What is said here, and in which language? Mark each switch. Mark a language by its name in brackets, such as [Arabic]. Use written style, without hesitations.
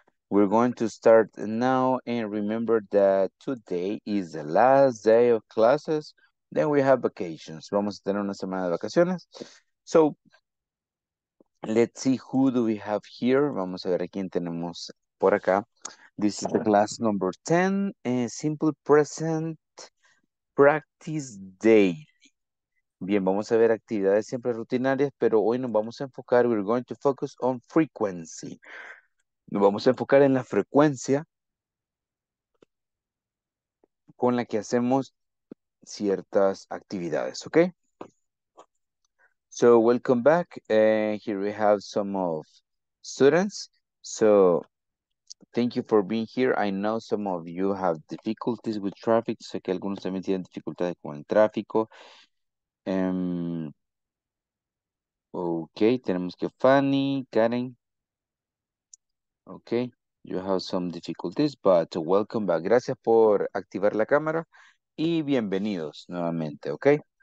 [English] We're going to start now and remember that today is the last day of classes. Then we have vacations. [Spanish] Vamos a tener una semana de vacaciones. [English] So, let's see who do we have here. [Spanish] Vamos a ver a quién tenemos por acá. [English] This is the class number 10, a simple present practice day. [Spanish] Bien, vamos a ver actividades siempre rutinarias, pero hoy nos vamos a enfocar, [English] we're going to focus on frequency. [Spanish] Nos vamos a enfocar en la frecuencia con la que hacemos ciertas actividades, ¿ok? [English] So, welcome back. Here we have some of students. So, thank you for being here. I know some of you have difficulties with traffic. [Spanish] Sé que algunos también tienen dificultades con el tráfico. Okay, tenemos que Fanny, Karen. [English] Okay, you have some difficulties, but welcome back. [Spanish] Gracias por activar la cámara y bienvenidos nuevamente, okay?